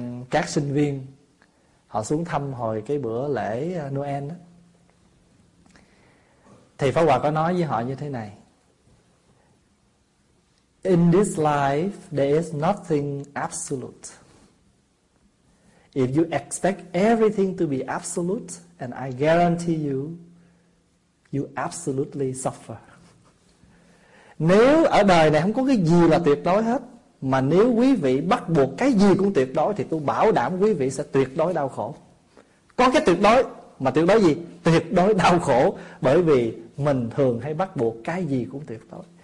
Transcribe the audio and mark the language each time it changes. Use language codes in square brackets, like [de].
[vi] các sinh viên họ xuống thăm hồi cái bữa lễ Noel đó. Thì Pháp Hòa có nói với họ như thế này: [en] In this life there is nothing absolute. If you expect everything to be absolute, and I guarantee you, you absolutely suffer. [vi] Nếu ở đời này không có cái gì là tuyệt đối hết, mà nếu quý vị bắt buộc cái gì cũng tuyệt đối, thì tôi bảo đảm quý vị sẽ tuyệt đối đau khổ. Có cái tuyệt đối, mà tuyệt đối gì? Tuyệt đối đau khổ. Bởi vì mình thường hay bắt buộc cái gì cũng tuyệt đối.